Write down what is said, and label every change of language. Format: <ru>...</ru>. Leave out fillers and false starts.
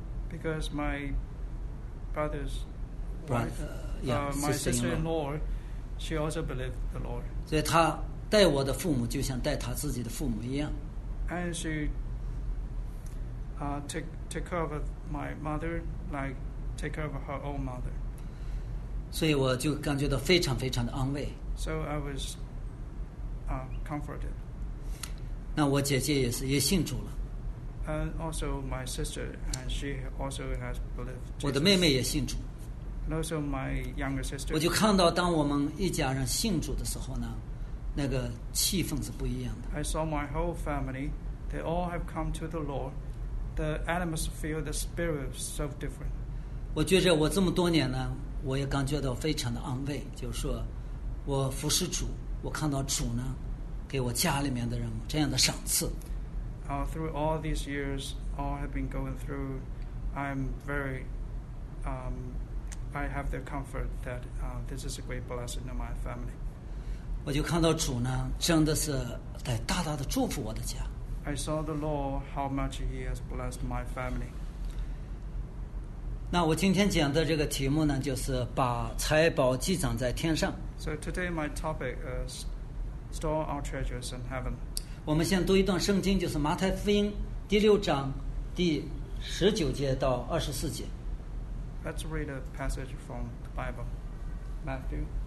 <en>Because my brother's wife, my sister-in-law, she also believed the Lord.</en> <zh>所以她待我的父母就像待她自己的父母一样。</zh> <en>And she. Take care of my mother like take care of her own mother.</en> <zh>所以我就感觉到非常非常的安慰。</zh> <en>So I was comforted.</en> <zh>那我姐姐也信主了。</zh> <en>And also my sister and she also has believed.</en> <zh>我的妹妹也信主。</zh> <en>And also my younger sister.</en> <zh>我就看到当我们一家人信主的时候呢，那个气氛是不一样的。</zh> <en>I saw my whole family. They all have come to the Lord. The atmosphere, the spirit is so different.</en> <zh>我觉着我这么多年呢，我也感觉到非常的安慰，就是说我服侍主，我看到主呢，给我家里面的人这样的赏赐。</zh> <en>Through all these years, all have been going through, I have the comfort that this is a great blessing in my family.</en> <zh>我就看到主呢，真的是在大大的祝福我的家。</zh> <en>I saw the Lord how much He has blessed my family.</en> <zh>那我今天讲的这个题目呢，就是把财宝积攒在天上。</zh> <en>So today my topic is store our treasures in heaven.</en> <zh>我们先读一段圣经，就是马太福音第六章第十九节到二十四节。</zh> <en>Let's read a passage from the Bible, Matthew.</en>